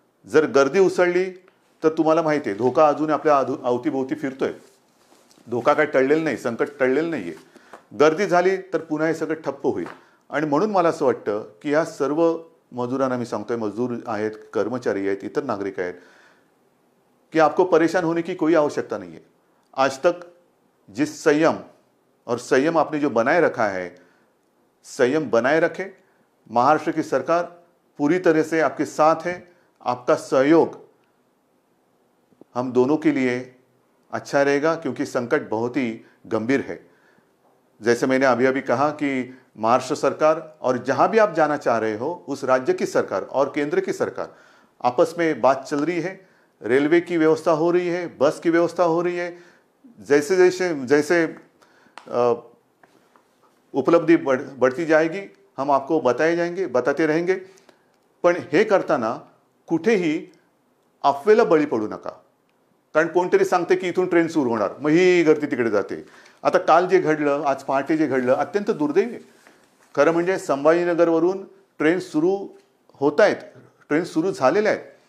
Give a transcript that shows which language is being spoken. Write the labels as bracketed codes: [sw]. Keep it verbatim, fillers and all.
[mr] जर गर्दी उसळली तर तुम्हाला माहिती आहे धोका अजून आपल्या अधू अवतीभोवती फिरतोय. धोका काय टळलेला नाही, संकट टळलेलं नाही आहे. गर्दी झाली तर पुन्हा हे सगळं ठप्प होईल. आणि म्हणून मला असं वाटतं की ह्या सर्व मजूरांना मी सांगतोय, मजूर आहेत, कर्मचारी आहेत, इतर नागरिक आहेत, कि [hi] आपको परेशान होने की कोई आवश्यकता नहीं है. आज तक जिस संयम और संयम आपने जो बनाए रखा है, संयम बनाए रखें. महाराष्ट्र की सरकार पूरी तरह से आपके साथ है. आपका सहयोग हम दोनों के लिए अच्छा रहेगा क्योंकि संकट बहुत ही गंभीर है. जैसे मैंने अभी अभी कहा कि महाराष्ट्र सरकार और जहां भी आप जाना चाह रहे हो उस राज्य की सरकार और केंद्र की सरकार आपस में बात चल रही है. रेलवे की व्यवस्था हो रही है, बस की व्यवस्था हो रही है. जैसे जैसे जैसे उपलब्धि बढ़ बढ़ती जाएगी हम आपको बताए जाएंगे, बताते रहेंगे. [mr] पण हे करताना कुठेही अफवेला बळी पडू नका. कारण कोणतरी सांगते की इथून ट्रेन सुरू होणार, मग ही गर्दी तिकडे जाते. आता काल जे घडलं, आज पहाटे जे घडलं, अत्यंत दुर्दैवी. खरं म्हणजे संभाजीनगरवरून ट्रेन सुरू होत आहेत, ट्रेन सुरू झालेल्या आहेत.